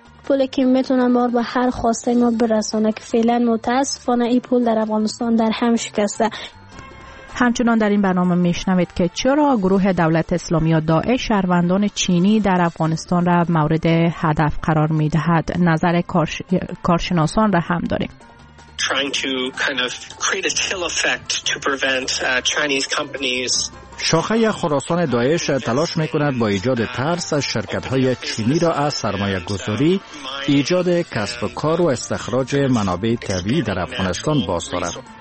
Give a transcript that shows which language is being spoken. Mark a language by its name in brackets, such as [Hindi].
[Persian] پولی که میتونن ما به هر خواسته ما برسونه که فعلا متاسفانه این پول در افغانستان در هم شکسته. همچنان در این برنامه میشنوید که چرا گروه دولت اسلامی و داعش شهروندان چینی در افغانستان را مورد هدف قرار میدهد. نظر کارشناسان را هم داریم. تا [English] trying to kind of create a chill effect to prevent Chinese companies. [Persian] شاخه خراسان داعش تلاش میکند با ایجاد ترس از شرکت های چینی را از سرمایه گذاری، ایجاد کسب و کار و استخراج منابع طبیعی در افغانستان باز دارد.